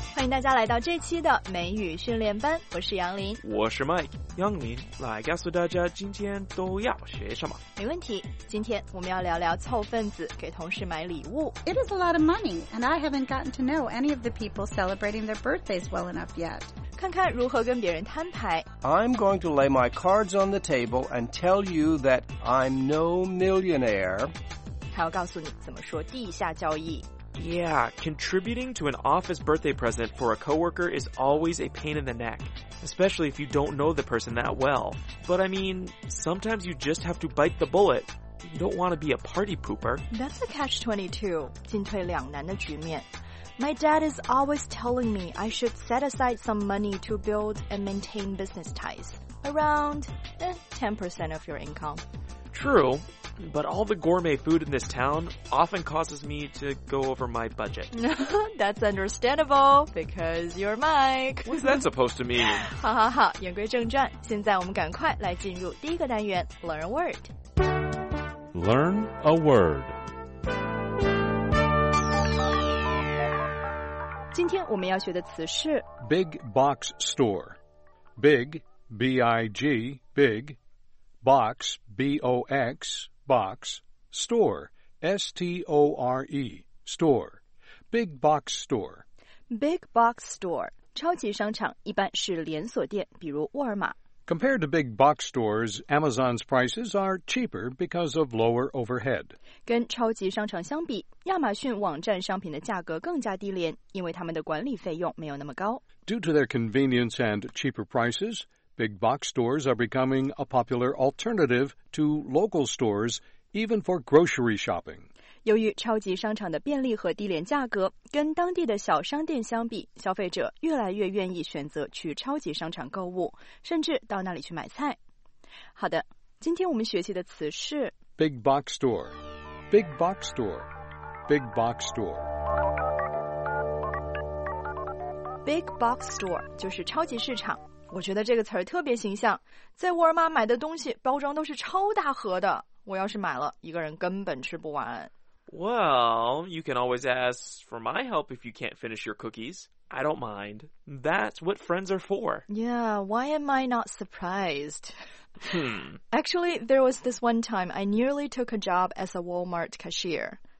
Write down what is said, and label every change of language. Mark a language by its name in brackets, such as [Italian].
[Chinese] 大家来到这期的美语训练班，我是杨林，我是 Mike。杨林，来告诉大家今天都要学什么。没问题，今天我们要聊聊凑份子给同事买礼物。 [English] It is a lot of money, and I haven't gotten to know any of the people celebrating their birthdays well enough yet. [Chinese] 看看如何跟别人摊牌。 [English] I'm going to lay my cards on the table and tell you that I'm no millionaire. [Chinese] 他要告诉你怎么说地下交易。 [English] Yeah, contributing to an office birthday present for a coworker is always a pain in the neck, especially if you don't know the person that well. But I mean, sometimes you just have to bite the bullet. You don't want to be a party pooper. That's a catch-22, [Chinese] 进退两难的局面。 [English] My dad is always telling me I should set aside some money to build and maintain business ties. Around 10% of your income. True. But all the gourmet food in this town often causes me to go over my budget. That's understandable, because you're Mike. What's that supposed to mean? [Chinese] 好好好，言归正传，现在我们赶快来进入第一个单元 [English] Learn a Word. Learn a Word. [Chinese] 今天我们要学的词是 [English] Big Box Store. Big, B-I-G, Big. Box, B-O-X. Box, store, S-T-O-R-E, store, big box store. [Chinese] Big box store, 超级商场一般是连锁店，比如沃尔玛。 [English] Compared to big box stores, Amazon's prices are cheaper because of lower overhead. [Chinese] 跟超级商场相比，亚马逊网站商品的价格更加低廉，因为他们的管理费用没有那么高。 [English] Due to their convenience and cheaper prices,Big box stores are becoming a popular alternative to local stores, even for grocery shopping. [Chinese] 由于超级商场的便利和低廉价格，跟当地的小商店相比，消费者越来越愿意选择去超级商场购物，甚至到那里去买菜。好的，今天我们学习的词是 [English] Big box store, big box store, big box store. [Chinese] Big box store 就是超级市场，我觉得这个词儿特别形象。在沃尔玛买的东西包装都是超大盒的，我要是买了，一个人根本吃不完。 [English] Well, you can always ask for my help if you can't finish your cookies. I don't mind. That's what friends are for. Yeah, why am I not surprised? Hmm. Actually, there was this one time I nearly took a job as a Walmart cashier.